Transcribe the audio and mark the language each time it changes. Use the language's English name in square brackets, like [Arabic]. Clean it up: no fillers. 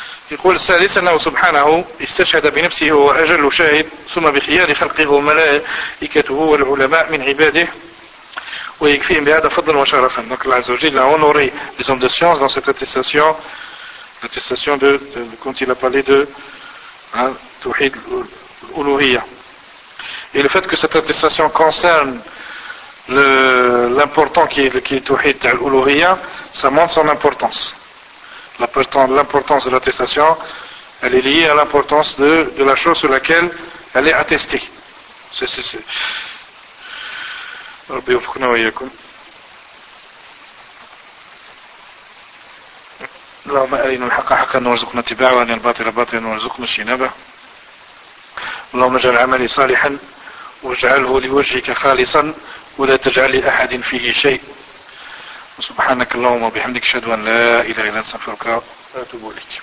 [Arabic] يقول السادس أنه سبحانه استشهد بنفسه هو أجل شاهد ثم بخيار خلقه وملائكته والعلماء من عباده ويكفيهم بهذا فضلا وشرفا. دونك الله عز وجل [French] a honoré les hommes de science dans cette attestation, l'attestation de quand il a parlé de Tawhid al-Uluhiyya. Et le fait que cette attestation concerne l'important qui est Tawhid al-Uluhiyya, ça montre son importance. L'importance de l'attestation, elle est liée à l'importance de la chose sur laquelle elle est attestée. C'est. [Arabic] ربي وفقنا وإياكم اللهم أرنا الحق حقا وارزقنا اتباعه وأرنا الباطل باطلا وارزقنا اجتنابه اللهم اجعل عملي صالحا واجعله لوجهك خالصا ولا تجعل لأحد فيه شيء سبحانك اللهم وبحمدك اشهد أن لا إله إلا أنت استغفرك وأتوب إليك.